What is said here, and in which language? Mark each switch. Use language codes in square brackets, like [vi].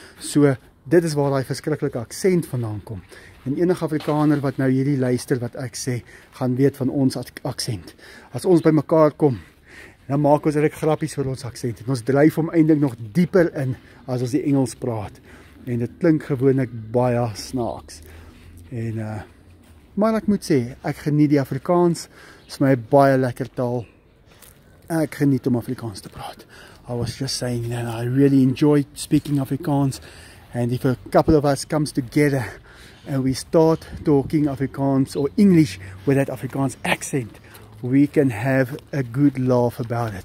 [af] So, dit is waar die verskriklike aksent vandaan kom. En enige Afrikaner wat nou hierdie luister wat ek sê, gaan weet van ons aksent. As ons by mekaar kom, dan maak ons eintlik grappies oor ons aksent. En ons dryf hom eintlik nog dieper in as ons die Engels praat. En dit klink gewoonlik baie snaaks. En maar ek moet sê, ek geniet die Afrikaans. Dit is my baie lekker taal. Ek geniet om Afrikaans te praat. [en] I was just saying that I really enjoyed speaking Afrikaans. And if a couple of us comes together and we start talking Afrikaans or English with that Afrikaans accent, we can have a good laugh about it.